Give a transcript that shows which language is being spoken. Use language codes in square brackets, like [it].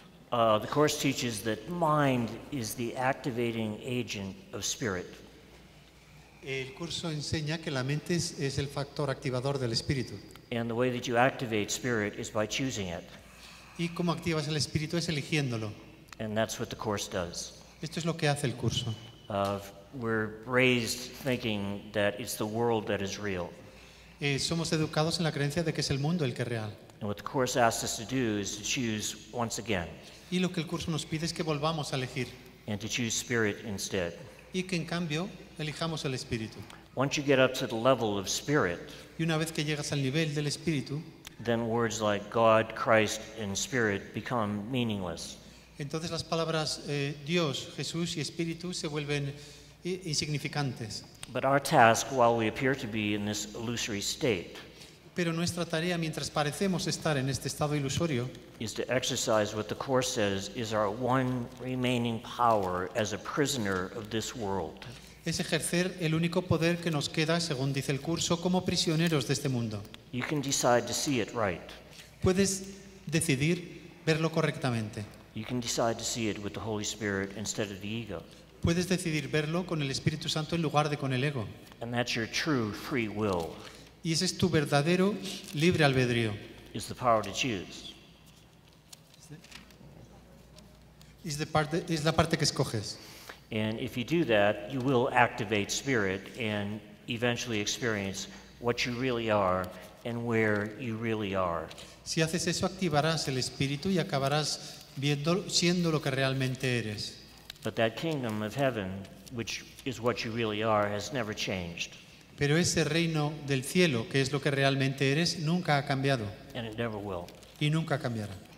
[en] The Course teaches that mind is the activating agent of spirit. [es] El curso enseña que la mente es el factor activador del espíritu. [en] And the way that you activate spirit is by choosing it. [es] Y cómo activas el espíritu es eligiéndolo. [en] And that's what the course does. [es] Esto es lo que hace el curso. [en] We're raised thinking that it's the world that is real. [es] Somos educados en la creencia de que es el mundo el que es real. [en] And what the course asks us to do is to choose once again. [es] Y lo que el curso nos pide es que volvamos a elegir. [en] And to choose spirit instead. [es] Y que en cambio elijamos el espíritu. [en] Once you get up to the level of spirit, [es] y una vez que llegas al nivel del espíritu, [en] then words like God, Christ, and spirit become meaningless. [es] Entonces las palabras Dios, Jesús y espíritu se vuelven insignificantes. [en] But our task, while we appear to be in this illusory state, [es] pero nuestra tarea mientras parecemos estar en este estado ilusorio, [en] is to exercise what the Course says is our one remaining power as a prisoner of this world. [es] Es ejercer el único poder que nos queda, según dice el curso, como prisioneros de este mundo. [en] You can decide to see it right. [es] Puedes decidir verlo correctamente. [en] You can decide to see it with the Holy Spirit instead of the ego. [es] Puedes decidir verlo con el Espíritu Santo en lugar de con el ego. [en] And that's your true free will. [es] Y ese es tu verdadero libre albedrío. [en] Is the power to choose. [es] Es la parte que escoges. [en] And if you do that, you will activate spirit and eventually experience what you really are and where you really are. [es] Si haces eso, activarás el espíritu y acabarás viendo, siendo lo que realmente eres. [en] But that kingdom of heaven, which is what you really are, has never changed. [es] Pero ese reino del cielo, que es lo que realmente eres, nunca ha cambiado. [en] And it never will. [es] Y nunca cambiará.